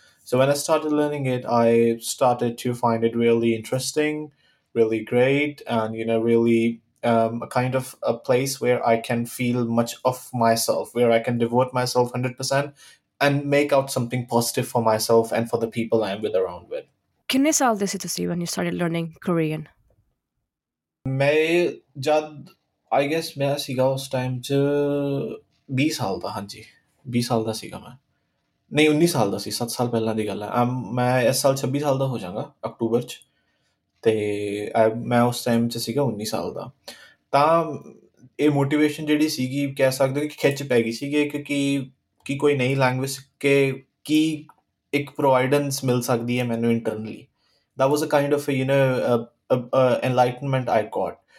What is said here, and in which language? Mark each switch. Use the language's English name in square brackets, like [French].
[English] So when I started learning it, I started to find it really interesting, really great, and, you know, really a kind of a place where I can feel much of myself, where I can devote myself 100% and make out something positive for myself and for the people I'm with around with. [Punjabi] ਕਿੰਨੇ ਸਾਲ ਦੇ ਸੀ ਤੁਸੀਂ [English] When you started learning Korean? [Punjabi] ਮੈਂ ਜਦ [English] I guess [Punjabi] ਮੈਂ ਸੀਗਾ ਉਸ time 'ਚ 20 ਸਾਲ ਦਾ, ਹਾਂਜੀ 20 ਸਾਲ ਦਾ ਸੀਗਾ ਮੈਂ, ਨਹੀਂ 19 ਸਾਲ ਦਾ ਸੀ, 7 ਸਾਲ ਪਹਿਲਾਂ ਦੀ ਗੱਲ ਹੈ। ਮੈਂ ਇਸ ਸਾਲ 26 ਸਾਲ ਦਾ ਹੋ ਜਾਵਾਂਗਾ ਅਕਟੂਬਰ 'ਚ, ਅਤੇ ਮੈਂ ਉਸ ਟਾਈਮ 'ਚ ਸੀਗਾ 19 ਸਾਲ ਦਾ। ਤਾਂ ਇਹ ਮੋਟੀਵੇਸ਼ਨ ਜਿਹੜੀ ਸੀਗੀ ਕਹਿ ਸਕਦੇ ਕਿ ਖਿੱਚ ਪੈ ਗਈ ਸੀਗੀ, ਕਿ ਕੋਈ ਨਈ ਲੈਂਗੁਏਜ ਸਿੱਖ ਕੇ ਕੀ ਇੱਕ ਪ੍ਰੋਵਾਈਡੈਂਸ ਮਿਲ ਸਕਦੀ ਹੈ ਮੈਨੂੰ internally. [English] That was a kind of, you know, enlightenment I got.